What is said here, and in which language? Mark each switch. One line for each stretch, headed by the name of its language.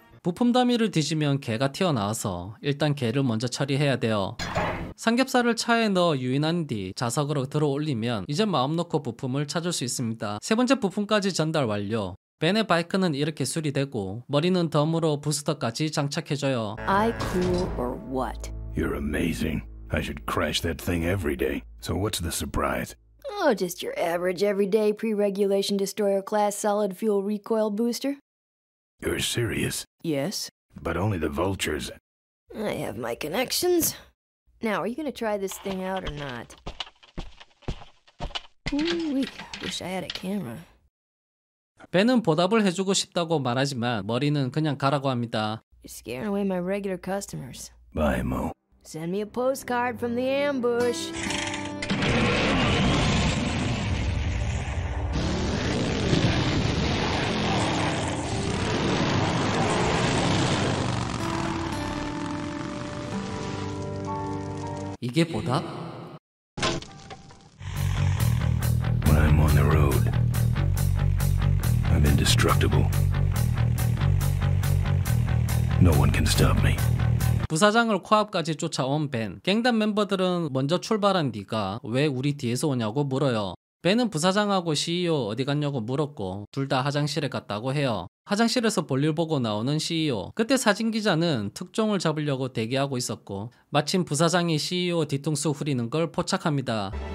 Korean: 부품 더미를 뒤지면 개가 튀어나와서 일단 개를 먼저 처리해야 돼요. 삼겹살을 차에 넣어 유인한 뒤 자석으로 들어 올리면 이제 마음 놓고 부품을 찾을 수 있습니다. 세 번째 부품까지 전달 완료. 벤의 바이크는 이렇게 수리되고 머리는 덤으로 부스터까지 장착해줘요.
English: I cool or what? You're amazing. I should crash that thing every day. So what's the surprise? Oh, just your average everyday pre-regulation destroyer class solid fuel recoil booster. You're serious? Yes. But only the vultures. I have my connections. Now, are you going to try this thing out or not? Ooh, I wish I had a camera.
Korean: 벤은 보답을 해주고 싶다고 말하지만 머리는 그냥 가라고 합니다.
English: You're scaring away my regular customers. Bye, Mo. Send me a postcard from the ambush.
Korean: 이게 보답?
English: When I'm on the road, I'm indestructible. No one can stop me.
Korean: 부사장을 코앞까지 쫓아온 벤. 갱단 멤버들은 먼저 출발한 네가 왜 우리 뒤에서 오냐고 물어요. 벤은 부사장하고 CEO 어디 갔냐고 물었고 둘 다 화장실에 갔다고 해요. 화장실에서 볼일 보고 나오는 CEO. 그때 사진 기자는 특종을 잡으려고 대기하고 있었고 마침 부사장이 CEO 뒤통수 후리는 걸 포착합니다.